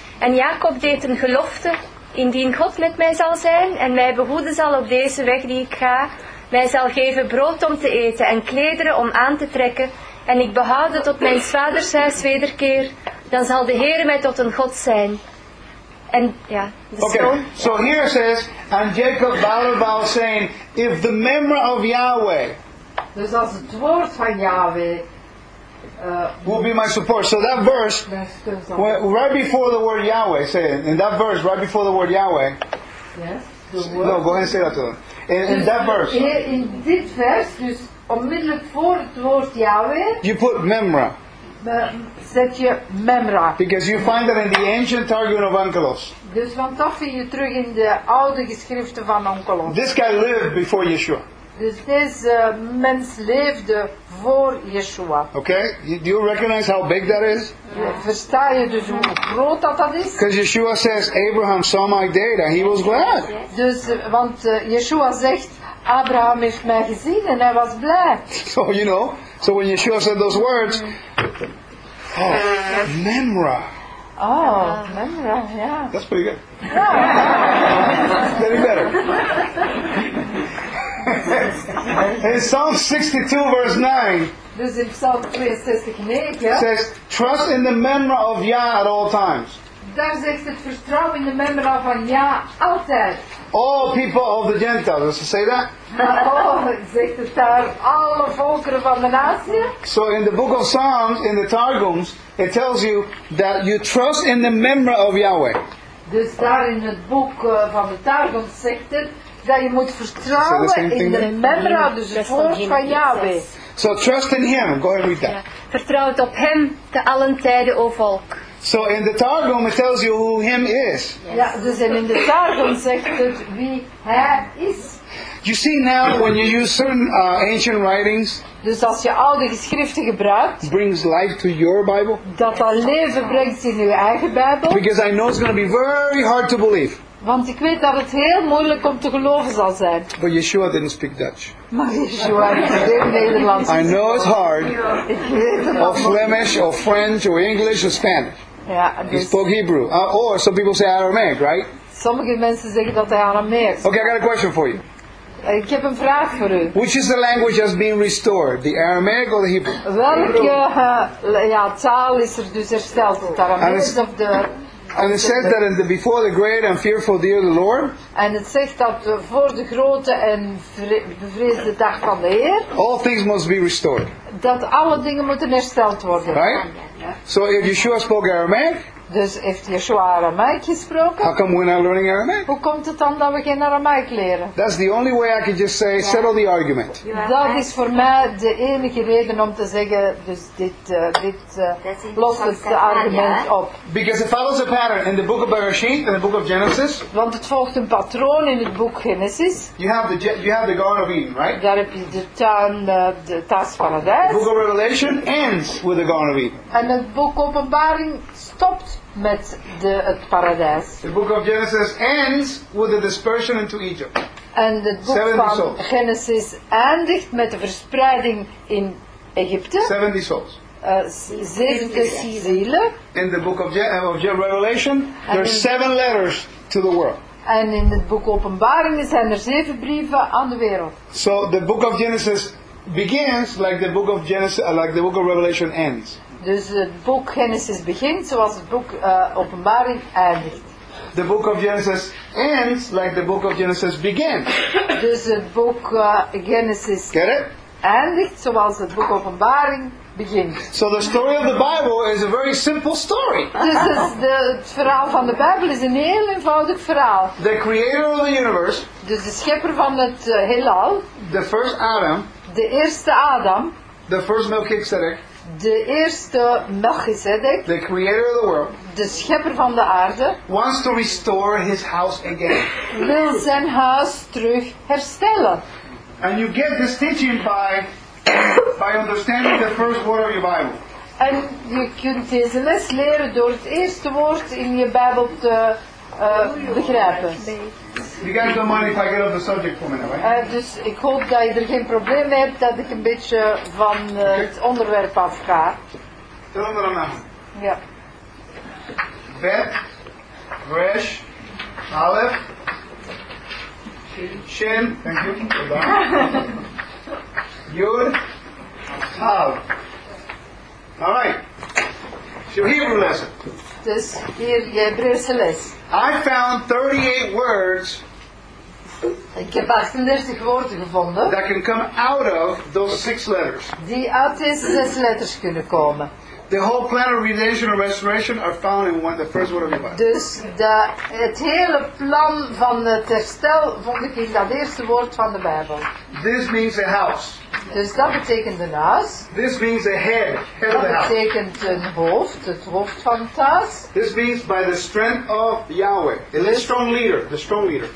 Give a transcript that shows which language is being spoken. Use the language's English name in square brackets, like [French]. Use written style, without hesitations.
[Dutch] En Jacob deed een gelofte, indien God met mij zal zijn en mij behoeden zal op deze weg die ik ga, mij zal geven brood om te eten en klederen om aan te trekken, en ik behouden tot mijn vaders huis wederkeer, dan zal de Heer mij tot een God zijn. [English] And, yeah, okay, so here it says, and Jacob bowed about saying, if the memory of Yahweh, [Dutch] dus als het woord van Yahweh [English] will be my support. So that verse, right before the word Yahweh, say it, in that verse, right before the word Yahweh, yes, the word, no, go ahead and say that to them. In that verse, in this verse, [Dutch] dus onmiddellijk voor het woord Yahweh, [English] you put memory. [Dutch] Zet je memra. [English] Because you find that in the ancient Targum of Onkelos. [Dutch] Dus want dat vind je terug in de oude geschriften van Onkelos. [English] This guy lived before Yeshua. [Dutch] deze mens leefde voor Yeshua. [English] Okay, do you recognize how big that is? [Dutch] Versta je dus hoe groot dat is? [English] Because Yeshua says, Abraham saw my day, and he was glad. [Dutch] Dus, want Yeshua zegt, Abraham heeft mij gezien en hij was blij. [English] So, you know, so when Yeshua said those words, oh, Memra. Oh, Memra, yeah. That's pretty good. Yeah. Getting better. In Psalm 62, verse 9, [Dutch] dus in Psalm 62, 9, [English] it says, trust in the Memra of Yah at all times. [Dutch] Daar zegt het, vertrouw in de Memra van Yah altijd. [English] All people of the Gentiles, does it say that? [Dutch] Oh, zegt het daar, alle volkeren van de natie. [English] So in the book of Psalms, in the Targums, it tells you that you trust in the Memra of Yahweh. [Dutch] Dus daar in het boek van de Targums zegt het, dat je moet vertrouwen in de Memra, dus het woord van Yahweh. [English] So trust in Him, go ahead read that. [Dutch] Vertrouw op Hem, te allen tijden, o volk. [English] So in the Targum it tells you who Him is. [Dutch] Ja, dus in de Targum zegt het wie Hij is. [English] You see now when you use certain ancient writings. [Dutch] Dus als je oude geschriften gebruikt. [English] Brings life to your Bible. [Dutch] Dat al leven brengt in uw eigen Bijbel. [English] Because I know it's going to be very hard to believe. [Dutch] Want ik weet dat het heel moeilijk om te geloven zal zijn. [English] But Yeshua didn't speak Dutch. [Dutch] Maar Yeshua heeft geen Nederlands. [English] I know it's hard. [Dutch] Ik weet het. [English] Of Flemish, of French, or English, or Spanish. [Dutch] Ja, [English] dus he spoke Hebrew. Or some people say Aramaic, right? [Dutch] Sommige mensen zeggen dat hij Aramaic. [English] Okay, I got a question for you. [Dutch] Ik heb een vraag voor u. [English] Which is the language that's being restored? The Aramaic or the Hebrew? [Dutch] Welke taal is er dus hersteld? Het Aramaic of de... [English] And it says that in the before the great and fearful day of the Lord. [Dutch] En het zegt dat voor de grote en bevreesde dag van de Heer. [English] All things must be restored. [Dutch] Dat alle dingen moeten hersteld worden. [English] Right? So if Yeshua spoke Aramaic. [Dutch] Dus heeft Yeshua Aramaic gesproken? [English] How come we're not learning Aramaic? [Dutch] Hoe komt het dan dat we geen Aramaic leren? [English] That's the only way I could just say settle the argument. [Dutch] Dat is voor mij de enige reden om te zeggen, dus dit lost het argument op. [English] Because it follows a pattern in the book of Bereshit and the book of Genesis. [Dutch] Want het volgt een patroon in het boek Genesis. [English] You have the Garden of Eden, right? [Dutch] Daar heb je de tuin, de tas van het huis. [English] The book of Revelation ends with the Garden of Eden. [Dutch] En het boek Openbaring stopt met het paradijs. [English] The book of Genesis ends with the dispersion into Egypt. [Dutch] En het boek van Genesis eindigt met de verspreiding in Egypte. [English] 70 souls. [Dutch] 70 zielen. [English] In the book of Revelation, there are 7 letters to the world. [Dutch] En in het boek Openbaring zijn er 7 brieven aan de wereld. [English] So the book of Genesis begins like the book of Genesis, like the book of Revelation ends. [Dutch] Dus het boek Genesis begint zoals het boek Openbaring eindigt. [English] The book of Genesis ends like the book of Genesis began. [Dutch] Dus het boek Genesis [English] get it? [Dutch] Eindigt zoals het boek Openbaring begint. [English] So the story of the Bible is a very simple story. [Dutch] Dus het verhaal van de Bijbel is een heel eenvoudig verhaal. [English] The creator of the universe. [Dutch] Dus de schepper van het heelal. [English] The first Adam. [Dutch] De eerste Adam. [English] The first Melchizedek. [Dutch] De eerste Melchizedek, [English] the creator of the world, [Dutch] de schepper van de aarde, [English] wants to restore his house again. [Dutch] Wil zijn huis terug herstellen. [English] And you get this teaching by understanding the first word of your Bible. [Dutch] En je kunt deze les leren door het eerste woord in je Bijbel te begrijpen. [English] You guys don't mind if I get off the subject for a minute, right? [Dutch] Dus ik hoop dat je er geen probleem mee hebt dat ik een beetje van het onderwerp af ga. Tel onder een naam. Ja. [English] Bet, Resh, Alef, Shin, thank you. Yud, Hav. Alright. So Hebrew lesson. [Dutch] Dus hier je Hebreeuwse les. [English] I found 38 words. [Dutch] Ik heb 38 woorden gevonden. [English] That can come out of those 6 letters. [Dutch] Die uit deze 6 letters kunnen komen. [English] The whole plan of redemption and restoration are found in one, the first word of your Bible. [Dutch] Dus het hele plan van het herstel vond ik in dat eerste woord van de Bijbel. [English] This means a house. [Dutch] Dus dat betekent een huis. [English] This means a head. Head [Dutch] dat [English] of the [Dutch] betekent [English] house. [Dutch] Een hoofd, het hoofd van het huis. [English] This means by the strength of Yahweh. The strong leader.